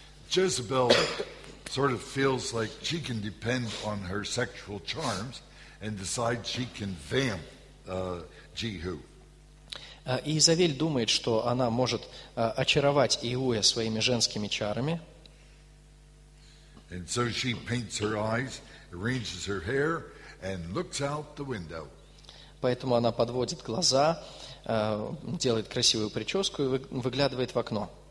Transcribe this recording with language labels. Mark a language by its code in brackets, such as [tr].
[en] Jezebel sort of feels like she can depend on her sexual charms and decide she can vamp Jehu. [ru] И Изавель думает, что она может очаровать Иуя своими женскими чарами. [en] And so she paints her eyes, arranges her hair, and looks out the window. [ru] Поэтому она подводит глаза, делает красивую прическу и выглядывает в окно.